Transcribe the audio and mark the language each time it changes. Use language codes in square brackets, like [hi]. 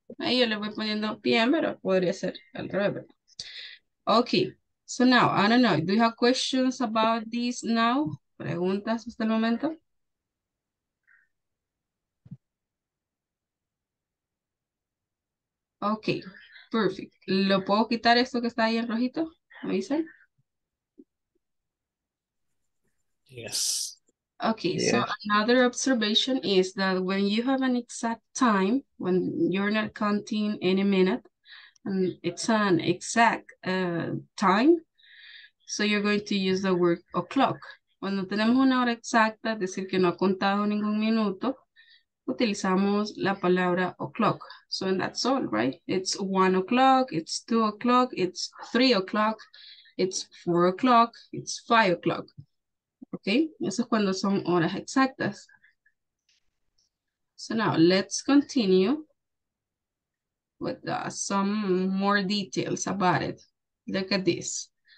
[es] Ahí yo le voy poniendo p.m., pero podría ser al revés. [en] Okay, so now, I don't know, do you have questions about this now? [es] ¿Preguntas hasta el momento? [en] Okay, perfect. [es] ¿Lo puedo quitar esto que está ahí en rojito? ¿Me dicen? [en] Yes. Okay, yes. So another observation is that when you have an exact time, when you're not counting any minute, and it's an exact time, so you're going to use the word o'clock. [es] Cuando tenemos una hora exacta, es decir, que no ha contado ningún minuto, utilizamos la palabra o'clock. [en] So and that's all, right? It's 1 o'clock, it's 2 o'clock, it's 3 o'clock, it's 4 o'clock, it's 5 o'clock. Okay, [es] eso es cuando son horas exactas. [en] So now let's continue with some more details about it. Look at this.